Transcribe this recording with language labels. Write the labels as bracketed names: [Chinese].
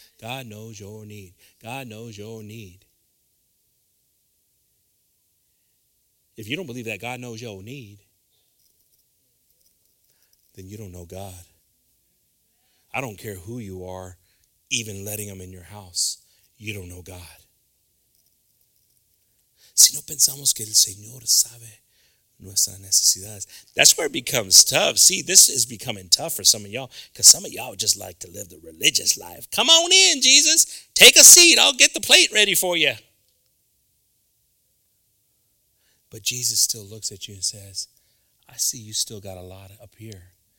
[English] God knows your need. God knows your need. If you don't believe that God knows your need, then you don't know God. I don't care who you are, even letting him in your house. You don't know God. [Spanish] Si no pensamos que el Señor sabe nuestras necesidades. [English] That's where it becomes tough. See, this is becoming tough for some of y'all because some of y'all just like to live the religious life. Come on in, Jesus. Take a seat. I'll get the plate ready for you. But Jesus still looks at you and says, I see you still got a lot up here.